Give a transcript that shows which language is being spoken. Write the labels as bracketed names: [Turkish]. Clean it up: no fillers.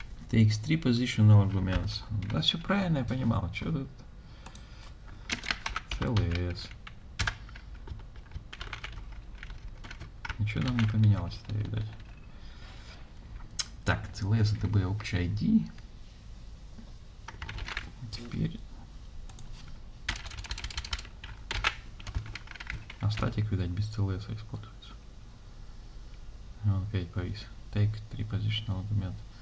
[English] Takes three positional arguments. [Russian] Да, все правильно, я понимал. Что тут? [English] CLS. [Russian] Ничего там не поменялось, это видать. [English] Так, CLS DB Object ID. [Russian] Теперь. А статик, видать, без CLS используется. Он опять повис. [English] Take three positional arguments.